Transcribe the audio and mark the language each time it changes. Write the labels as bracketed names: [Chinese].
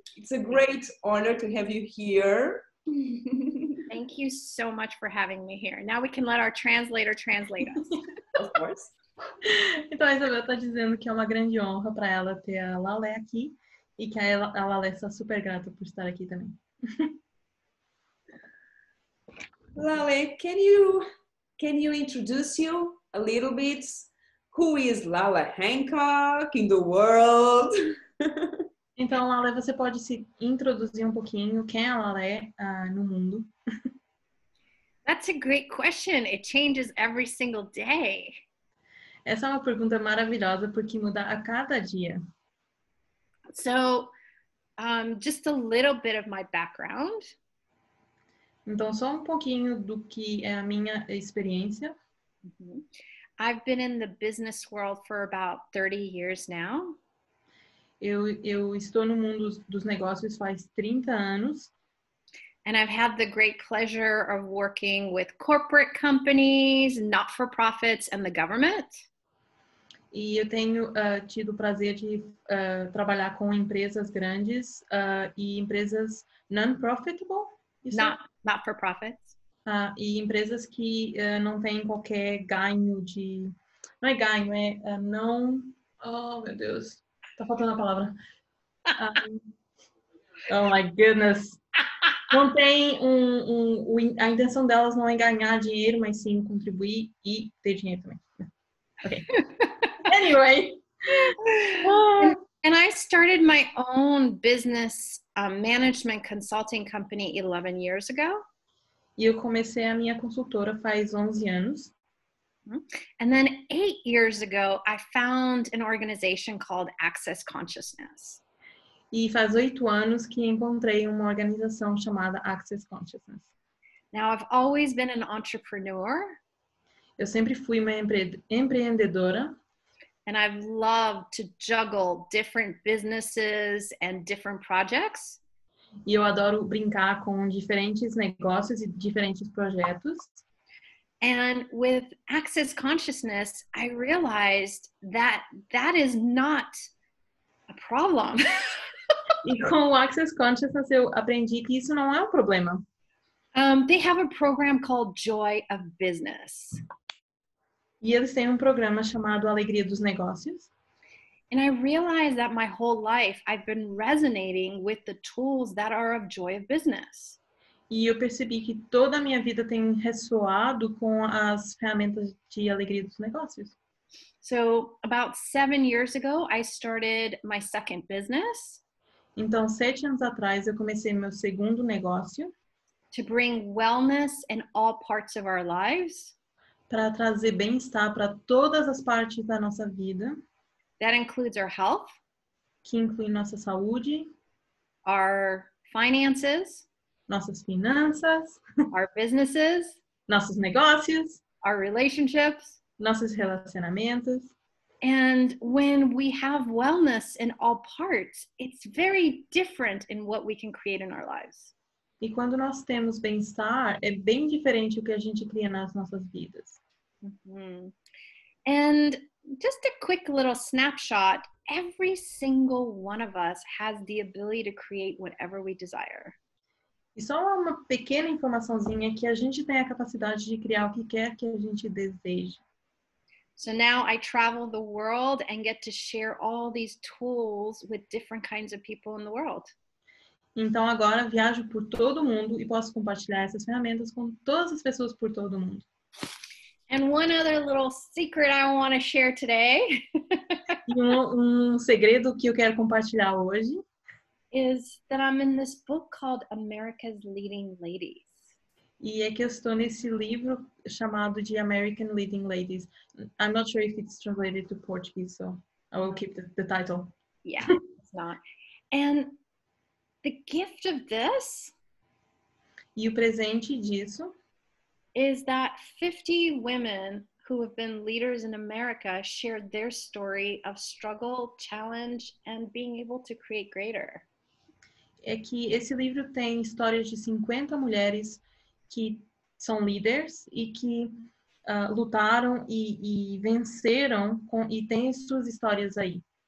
[English] It's a great honor to have you here. Thank you so much for having me here. Now we can let our translator translate us. Of course. [Portuguese] Então, a Isabel está dizendo que é uma grande honra para ela ter a Lale aqui e que a Lale está super grata por estar aqui também. [English] Lale, can you introduce you a little bit? Who is Lala Hancock in the world? [Portuguese] Então, Lale, você pode se introduzir um pouquinho quem é a Lale no mundo? [English] That's a great question. It changes every single day. [Portuguese] Essa é uma pergunta maravilhosa porque muda a cada dia. [English] So, just a little bit of my background. [Portuguese] Então, só um pouquinho do que é a minha experiência. Uh-huh. [English] I've been in the business world for about 30 years now. [Portuguese] Eu estou no mundo dos negócios faz 30 anos. [English] And I've had the great pleasure of working with corporate companies, not-for-profits, and the government. [Portuguese] E eu tenho tido o prazer de trabalhar com empresas grandes e empresas non-profitable. [English] Not for profits. [Portuguese] E empresas que não têm qualquer ganho de... Não é ganho, é não... Oh, meu Deus. Tá faltando a palavra. [English] Oh my goodness. [Portuguese] Não tem a intenção delas não é ganhar dinheiro, mas sim contribuir e ter dinheiro também. [English] Okay. Anyway. And I started my own business management consulting company 11 years ago. [Portuguese] E eu comecei a minha consultora faz 11 anos. [English] And then 8 years ago, I found an organization called Access Consciousness. [Portuguese] E faz 8 anos que encontrei uma organização chamada Access Consciousness. [English] Now, I've always been an entrepreneur. [Portuguese] Eu sempre fui uma empreendedora. [English] And I've loved to juggle different businesses and different projects. [Portuguese] E eu adoro brincar com diferentes negócios e diferentes projetos. [English] And with Access Consciousness, I realized that that is not a problem. [Portuguese] E com o Access Consciousness, eu aprendi que isso não é um problema. [English] They have a program called Joy of Business. [Portuguese] E eles têm um programa chamado Alegria dos Negócios. [English] And I realized that my whole life, I've been resonating with the tools that are of Joy of Business. [Portuguese] E eu percebi que toda a minha vida tem ressoado com as ferramentas de Alegria dos Negócios. [English] So, about 7 years ago, I started my second business. [Portuguese] Então, 7 anos atrás, eu comecei meu segundo negócio. [English] To bring wellness in all parts of our lives. [Portuguese] Para trazer bem-estar para todas as partes da nossa vida. [English] That includes our health. [Portuguese] Que inclui nossa saúde. [English] Our finances. [Portuguese] Nossas finanças. [English] Our businesses. [Portuguese] Nossos negócios. [English] Our relationships. [Portuguese] Nossos relacionamentos. [English] And when we have wellness in all parts, it's very different in what we can create in our lives. [Portuguese] E quando nós temos bem-estar, é bem diferente o que a gente cria nas nossas vidas. Mm-hmm. [English] And just a quick little snapshot, every single one of us has the ability to create whatever we desire. [Portuguese] E só uma pequena informaçãozinha que a gente tem a capacidade de criar o que quer que a gente deseja. [English] So now I travel the world and get to share all these tools with different kinds of people in the world. [Portuguese] Então agora viajo por todo mundo e posso compartilhar essas ferramentas com todas as pessoas por todo mundo. [English] And one other little secret I want to share today. [Portuguese] um segredo que eu quero compartilhar hoje. [English] Is that I'm in this book called America's Leading Ladies. [Portuguese] E é que eu estou nesse livro chamado de American Leading Ladies. [English] I'm not sure if it's translated to Portuguese, so I will keep the title. Yeah, it's not. And the gift of this. [Portuguese] E o presente disso. [English] Is that 50 women who have been leaders in America shared their story of struggle, challenge, and being able to create greater. [Portuguese] É que esse livro tem histórias de 50 mulheres que são líderes e que lutaram e venceram com, e têm suas histórias aí.